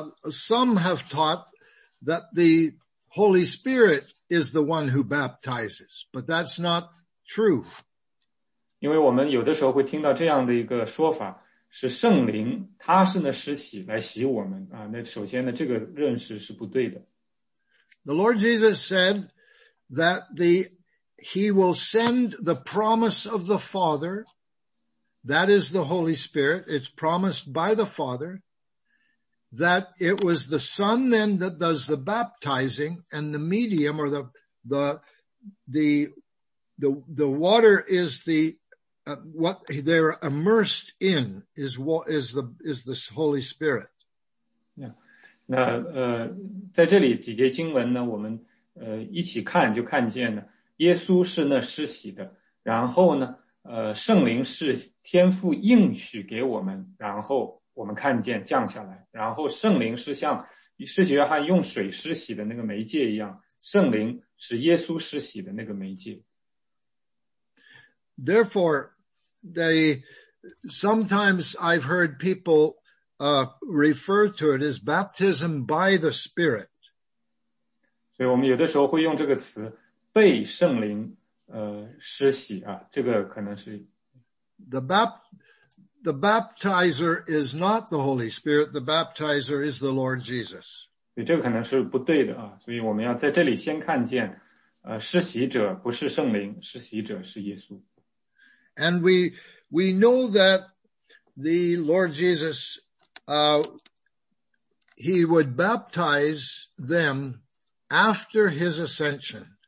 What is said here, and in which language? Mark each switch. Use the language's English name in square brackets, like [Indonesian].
[English] Some have taught that the Holy Spirit is the one who baptizes, but that's not True. [Chinese] 因为我们有的时候会听到这样的一个说法，是圣灵他是那施洗来洗我们啊。那首先呢，这个认识是不对的。 [English] The Lord Jesus said that he will send the promise of the Father, that is the Holy Spirit, it's promised by the Father, that it was the Son then that does the baptizing and the medium or the water is the, what they're immersed in is the Holy Spirit. Yeah. [Chinese] 那在这里几节经文呢，我们一起看就看见呢，耶稣是那施洗的，然后呢，圣灵是天父应许给我们，然后我们看见降下来，然后圣灵是像施洗约翰用水施洗的那个媒介一样，圣灵是耶稣施洗的那个媒介。 [English] Therefore, sometimes I've heard people refer to it as baptism by the Spirit. [Chinese] 所以我们有的时候会用这个词，被圣灵施洗啊，这个可能是。 [English] The baptizer is not the Holy Spirit, the baptizer is the Lord Jesus. [Chinese] 所以这个可能是不对的啊，所以我们要在这里先看见，施洗者不是圣灵，施洗者是耶稣。 [English] And we know that the Lord Jesus, he would baptize them after his ascension.